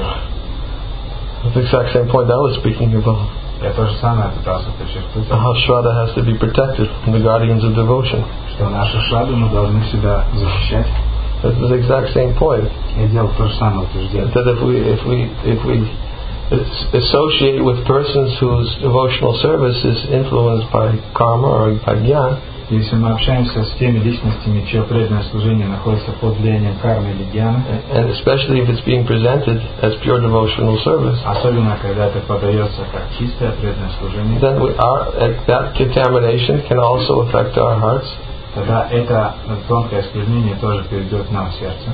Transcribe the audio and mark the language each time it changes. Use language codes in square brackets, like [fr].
[en] The exact same point I was speaking about. How Shraddha has to be protected from the guardians of devotion. This is the exact same point. That if we associate with persons whose devotional service is influenced by karma or by jnana, [ru] если мы общаемся с теми личностями, чье преданное служение находится под влиянием кармы или гьяны, [en] and especially if it's being presented as pure devotional service, [ru] особенно когда это подается как чистое преданное служение, [en] then that contamination can also affect our hearts. [ru] Тогда это тонкое осквернение тоже перейдет нам в сердце.